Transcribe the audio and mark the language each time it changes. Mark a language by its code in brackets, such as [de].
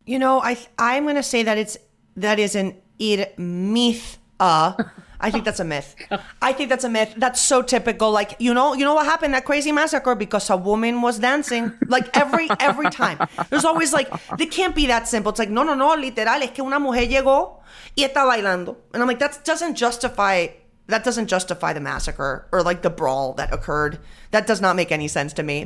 [en] You know, I'm gonna say that is an Irmita. I think that's a myth. I think that's a myth. That's so typical. Like, you know what happened, that crazy massacre? Because a woman was dancing. Like, every time. There's always like, they can't be that simple. It's like, no, literal, [es] es que una mujer llegó y está bailando. [en] And I'm like, that doesn't justify the massacre or like the brawl that occurred. That does not make any sense to me.